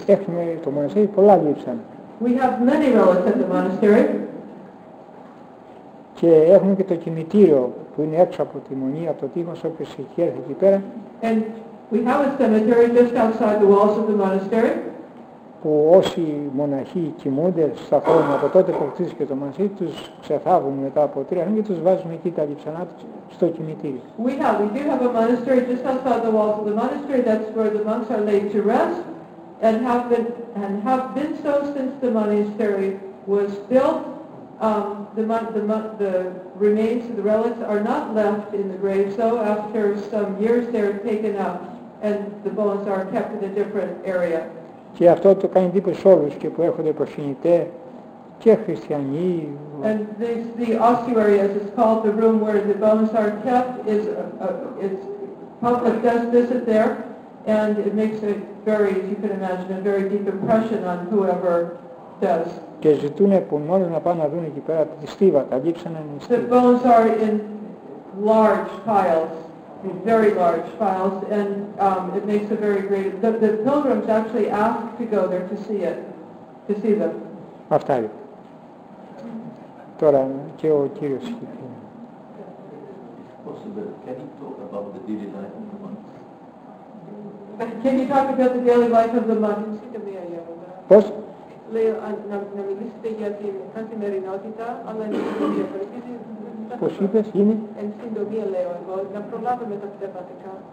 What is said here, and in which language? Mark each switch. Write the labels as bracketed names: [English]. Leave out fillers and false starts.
[Greek] Έχουμε το μοναστήρι πολλά λείψανα. [English] We have many relics at the monastery. [Greek] Και έχουμε και το κημητήριο που είναι έξω από τη μονή, από το τείχος, όποιος έχει έρθει εκεί πέρα. [English] And we have a cemetery just outside the walls of the monastery. [Greek] Που όσοι μοναχοί κοιμούνται στα χρόνια από τότε που χτίστηκε το μαζί, τους ξεθάβουν μετά από τρία χρόνια και τους βάζουν εκεί τα λειψανά τους στο κημητήριο. [English] We do have a monastery just outside the walls of the monastery. That's where the monks are laid to rest and have been so since the monastery was built. The remains of the relics are not left in the grave, so after some years they are taken up and the bones are kept in a different area. [Greek] Και αυτό το κάνει εντύπωση σε όλους και που έρχονται προσκυνητές και χριστιανοί. [English] And this, the ossuary, as it's called, the room where the bones are kept, is it's public does visit there, and it makes a very, as you can imagine, a very deep impression on whoever does. [Greek] Και ζητούν από μόνο να πάνε να δουν εκεί πέρα τη στίβα, τα λείψανα είναι στίβα. [English] The bones are in large piles, in very large piles, and it makes a very great... The pilgrims actually ask to go there to see it, to see them. [Greek] Αυτά είναι. Τώρα και ο κύριος. [English] Can you talk about the daily life of the monk? Can you talk about the daily life of the monk? [Greek] Πώς? Λέω να μιλήσετε για την καθημερινότητα, αλλά είναι η συντομία. Πώς είπες, είναι? Εν συντομία, λέω εγώ, να προλάβουμε τα πνευματικά.